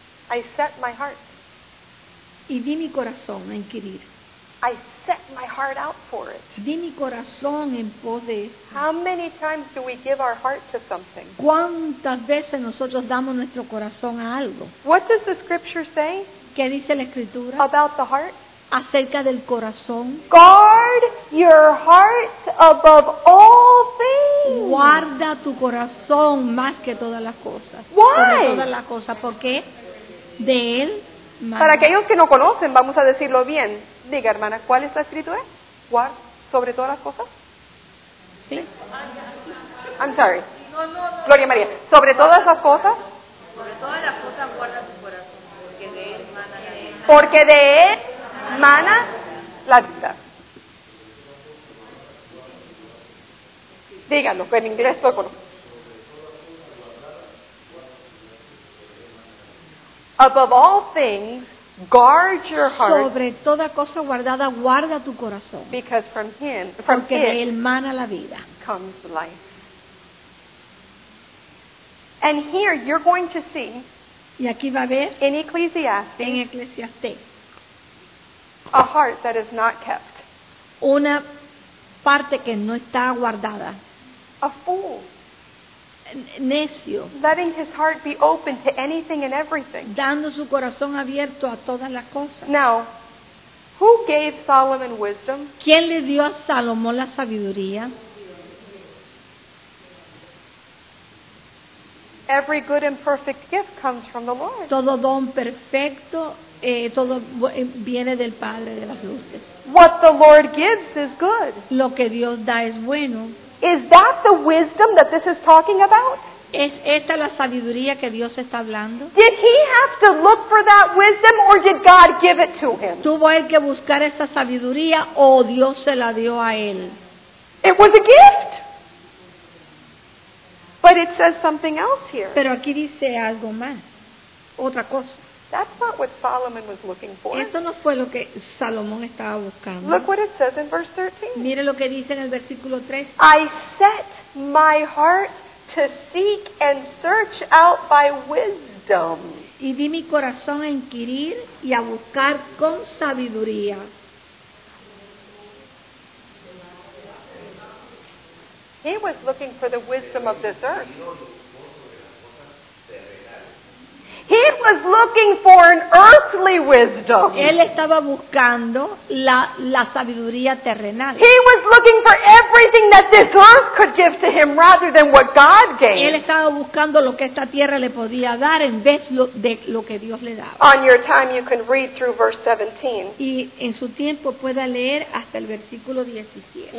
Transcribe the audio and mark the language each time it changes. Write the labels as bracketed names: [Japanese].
[English] I set my heart. [Spanish] Y di mi corazón a inquirir. [English] I set my heart out for it. [Spanish] Di mi corazón en pos de esto. [English] How many times do we give our heart to something? [Spanish] ¿Cuántas veces nosotros damos nuestro corazón a algo? [English] What does the scripture say? [Spanish] ¿Qué dice la escritura? [English] About the heart. [Spanish] Acerca del corazón. [English] Guard your heart above all things. [Spanish] Guarda tu corazón más que todas las cosas. [English] Why? [Spanish] Sobre todas las cosas. ¿Por qué? De él. Para aquellos que no conocen, vamos a decirlo bien. Diga, hermana, ¿cuál es la escritura? ¿Guard sobre todas las cosas? Sí. [English] I'm sorry. [Spanish] No. Gloria María. ¿Sobre todas las cosas? Sobre todas las cosas guarda tu corazón. Porque de él mana la vida. Porque de él mana la vida. Díganlo, que en inglés lo conozco. [English] Above all things, guard your heart. [Spanish] Sobre toda cosa guardada, guarda tu corazón. [English] Because from him, from [Spanish] porque de él mana la vida. [English] Comes life. And here you're going to see. [Spanish] Y aquí va a ver. [English] In Ecclesiastes. [Spanish] En Eclesiastés. [English] A heart that is not kept. [Spanish] Una parte que no está guardada. [English] A fool. [Spanish] Necio. [English] Letting his heart be open to anything and everything. [Spanish] Dando su corazón abierto a todas las cosas. [English] Now, who gave Solomon wisdom? [Spanish] ¿Quién le dio a Salomón la sabiduría? [English] Every good and perfect gift comes from the Lord. [Spanish] Todo don perfecto, todo viene del Padre de las luces. [English] What the Lord gives is good. [Spanish] Lo que Dios da es bueno. [English] Is that the wisdom that this is talking about? [Spanish] ¿Es esta la sabiduría que Dios está hablando? [English] Did he have to look for that wisdom or did God give it to him? [Spanish] ¿Tuvo él que buscar esa sabiduría o Dios se la dio a él? [English] It was a gift. But it says something else here. [Spanish] Pero aquí dice algo más. Otra cosa. [English] That's not what Solomon was looking for. [Spanish] Esto no fue lo que Salomón estaba buscando. [English] Look what it says in verse 13. [Spanish] Mire lo que dice en el versículo 13. [English] I set my heart to seek and search out by wisdom. [Spanish] Y di mi corazón a inquirir y a buscar con sabiduría. [English] He was looking for the wisdom of this earth. He was looking for an earthly wisdom. [Spanish] Él estaba buscando la sabiduría terrenal. [English] He was looking for everything that this earth could give to him rather than what God gave. [Spanish] Él estaba buscando lo que esta tierra le podía dar en vez de lo que Dios le daba. [English] On your time you can read through verse 17. [Spanish] Y en su tiempo pueda leer hasta el versículo 17.